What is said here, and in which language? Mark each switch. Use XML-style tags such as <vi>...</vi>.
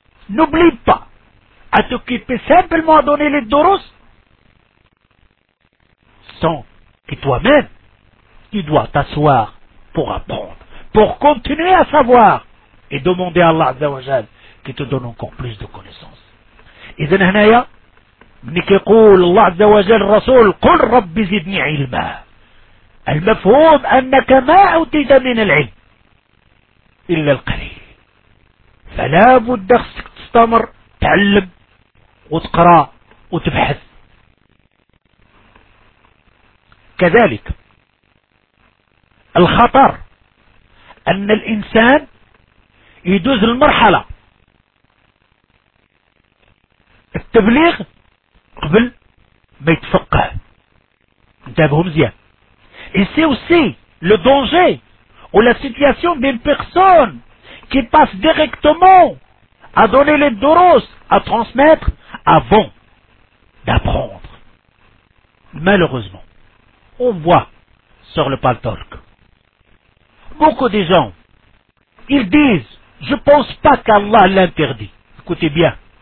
<fr>N'oublie pas à t'occuper simplement à donner les doros sans que toi-même, tu dois t'asseoir pour apprendre, pour continuer à savoir. Et demander à Allah Azza wa Jal qui te donne encore plus de connaissances.</fr> <ar>إذن هنايا ملي كيقول الله عز وجل الرسول قل ربي زدني علما المفهوم أنك ما أوتيت من العلم إلا القليل فلا بد خصك تستمر تعلم وتقرأ وتبحث. كذلك الخطر أن الإنسان يدوز المرحلة التبليغ قبل ما يتفقه. انتبهوا مزيان.</ar> <fr>ici aussi le danger ou la situation d'une personne qui passe directement à donner les doros à transmettre avant d'apprendre. Malheureusement, on voit sur le paltalk beaucoup de gens, ils disent je pense pas qu'Allah l'interdit. Écoutez bien.</fr>